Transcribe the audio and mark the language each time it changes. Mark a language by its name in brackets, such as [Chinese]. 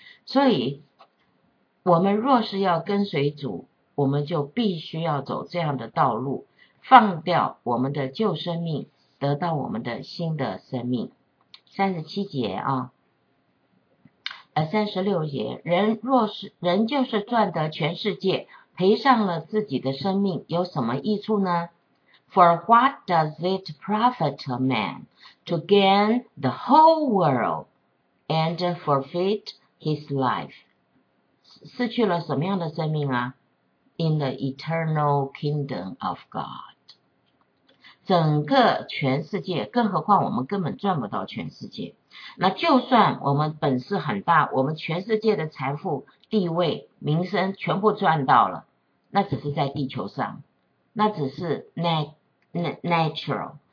[Chinese] 所以我们若是要跟随主，我们就必须要走这样的道路，放掉我们的旧生命，得到我们的新的生命。 36节，人就是赚得全世界，赔上了自己的生命，有什么益处呢？ [English] For what does it profit a man? To gain the whole world and forfeit his life. [Chinese] 失去了什么样的生命啊？ [English] In the eternal kingdom of God. [Chinese] 整个全世界，更何况我们根本赚不到全世界。那就算我们本事很大，我们全世界的财富、地位、名声全部赚到了，那只是在地球上，那只是 natural。